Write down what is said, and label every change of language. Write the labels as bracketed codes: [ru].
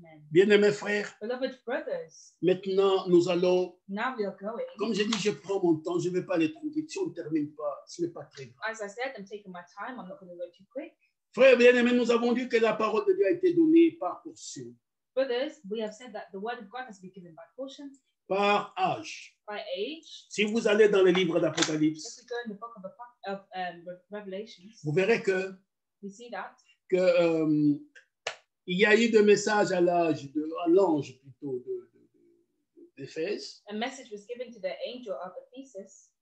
[fr] Bien-aimés frères, maintenant nous allons, comme je dis, je prends mon temps, je ne vais pas les trouver, si on ne termine pas, ce n'est pas très grave. [en] As I said, I'm taking my time, I'm not going to go too quick. [fr] Frères, bien-aimés, nous avons dit que la parole de Dieu a été donnée par portion. [en] Brothers, we have said that the word of God has been given by portion. [fr] Par âge. [en] By age. [fr] Si vous allez dans le livre d'Apocalypse, [en] if we go in the book of Revelations, [fr] vous verrez que, [en] we see that, [fr] que, il y a eu des messages à l'âge de à l'ange plutôt d'Éphèse. [en] A message was given to the angel of Ephesus.